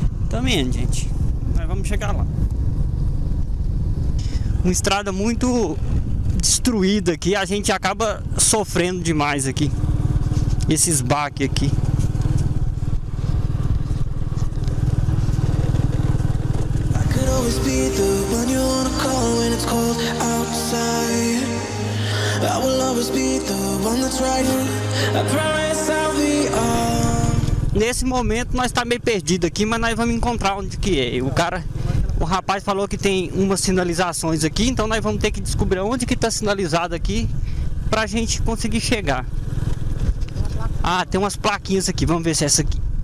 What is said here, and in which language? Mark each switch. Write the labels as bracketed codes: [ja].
[pt] Tamo indo, gente. Mas vamos chegar lá. Uma estrada muito destruída aqui, a gente acaba sofrendo demais aqui, esses baques aqui. [en] I could always be the one you wanna call when it's cold outside. I will always be the one that's right here. I promise I'll be all. [pt] Nesse momento nós tá meio perdido aqui, mas nós vamos encontrar onde que é. O cara, o rapaz falou que tem umas sinalizações aqui, então nós vamos ter que descobrir onde que tá sinalizado aqui pra gente conseguir chegar. Ah, tem umas plaquinhas aqui, vamos ver se é essa aqui.